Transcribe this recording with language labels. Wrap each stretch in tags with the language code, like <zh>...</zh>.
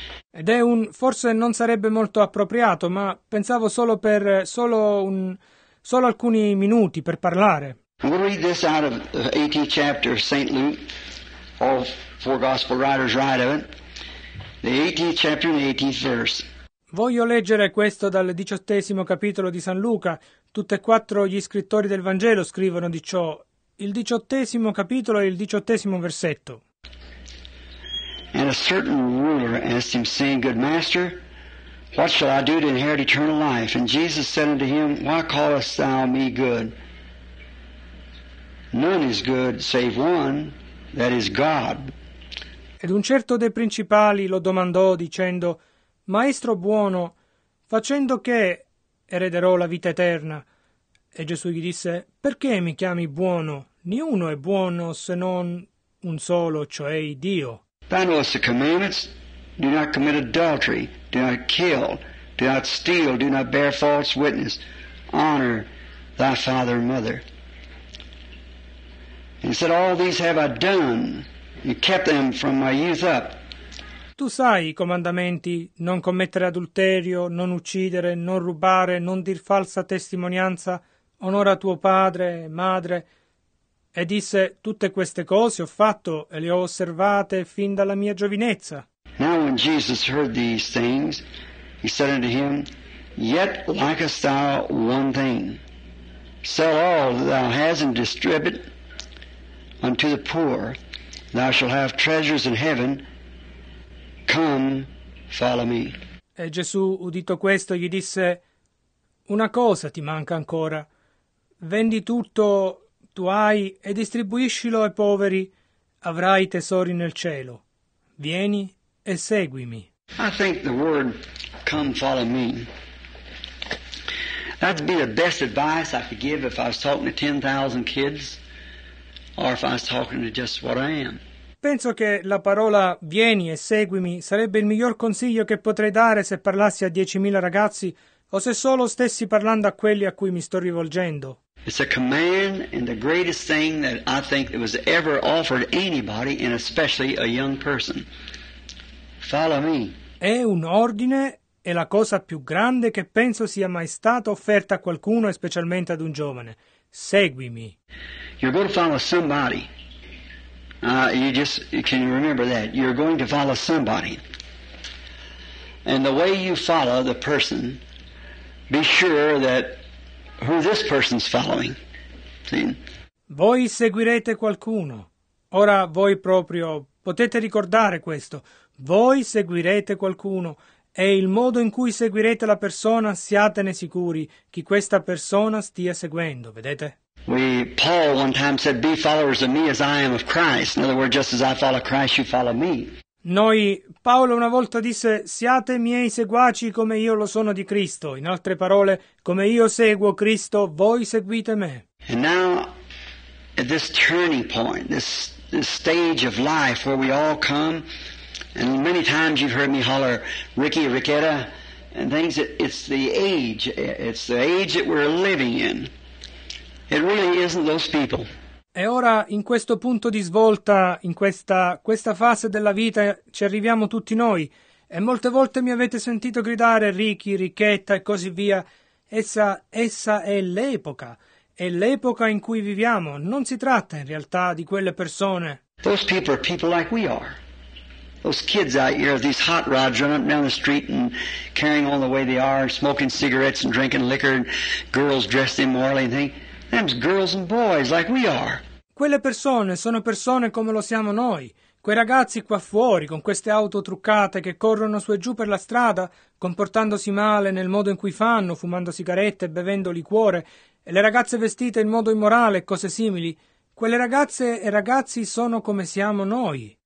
<it>Ed è un... forse non sarebbe molto appropriato, ma pensavo solo per... solo alcuni minuti per parlare.</it> <en>We'll read this out of the 18th chapter of St. Luke. All four gospel writers write of it. The 18th chapter and the 18th verse.</en> <it>Voglio leggere questo dal 18° capitolo di San Luca. Tutti e quattro gli scrittori del Vangelo scrivono di ciò. Il 18° capitolo e il 18° versetto.</it> <en>And a certain ruler asked him, saying, Good master, what shall I do to inherit eternal life? And Jesus said unto him, Why callest thou me good? None is good save one. That is God.</en> <it>Ed un certo dei principali lo domandò dicendo, Maestro buono, facendo che erederò la vita eterna? E Gesù gli disse, Perché mi chiami buono? Niuno è buono se non un solo, cioè Dio.</it> <en>Thou knowest the commandments, do not commit adultery, do not kill, do not steal, do not bear false witness, honor thy father and mother. He said, All these have I done, and kept them from my youth up.</en> <it>Tu sai i comandamenti, non commettere adulterio, non uccidere, non rubare, non dir falsa testimonianza, onora tuo padre, madre. E disse, tutte queste cose ho fatto, e le ho osservate fin dalla mia giovinezza.</it> <en>Now when Jesus heard these things, he said unto him, Yet lackest thou one thing. Sell all that thou hast and distribute unto the poor, thou shalt have treasures in heaven. Come, follow me.</en> <it>E Gesù, udito questo, gli disse, Una cosa ti manca ancora. Vendi tutto tu hai e distribuiscilo ai poveri. Avrai tesori nel cielo. Vieni e seguimi.</it> <en>I think the word, come, follow me, that'd be the best advice I could give if I was talking to 10,000 kids. Or if I was talking to just what I am.</en> <it>Penso che la parola vieni e seguimi sarebbe il miglior consiglio che potrei dare se parlassi a 10.000 ragazzi o se solo stessi parlando a quelli a cui mi sto rivolgendo.</it> <en>It's a command and the greatest thing that I think that was ever offered anybody, and especially a young person. Follow me.</en> <it>È un ordine, è la cosa più grande che penso sia mai stata offerta a qualcuno, specialmente ad un giovane. Seguimi.</it> <en>You're going to follow somebody. Can you remember that? You're going to follow somebody. And the way you follow the person, be sure that who this person's following. See?</en> <it>Voi seguirete qualcuno. Ora voi proprio potete ricordare questo. Voi seguirete qualcuno. E il modo in cui seguirete la persona, siatene sicuri che questa persona stia seguendo, vedete?</it> <en>Paul one time said, be followers of me as I am of Christ. In other words, just as I follow Christ, you follow me.</en> <it>Noi, Paolo una volta disse, siate miei seguaci come io lo sono di Cristo. In altre parole, come io seguo Cristo, voi seguite me.</it> <en>And now, at this turning point, this stage of life where we all come, and many times you've heard me holler, Ricky, Ricketta, and things, it's the age that we're living in. It really isn't those people.</en> <it>E ora, in questo punto di svolta, in questa fase della vita, ci arriviamo tutti noi. E molte volte mi avete sentito gridare, Ricky, Ricchetta e così via. Essa è l'epoca. È l'epoca in cui viviamo. Non si tratta, in realtà, di quelle persone.</it> <en>Those people are people like we are. Those kids out here, these hot rods running up down the street and carrying on the way they are, smoking cigarettes and drinking liquor, and girls dressed immorally and things. Them's girls and boys like we are.</en> <it>Quelle persone sono persone come lo siamo noi. Quei ragazzi qua fuori con queste auto truccate che corrono su e giù per la strada, comportandosi male nel modo in cui fanno, fumando sigarette e bevendo liquore, e le ragazze vestite in modo immorale e cose simili. Quelle ragazze e ragazzi sono come siamo noi.</it>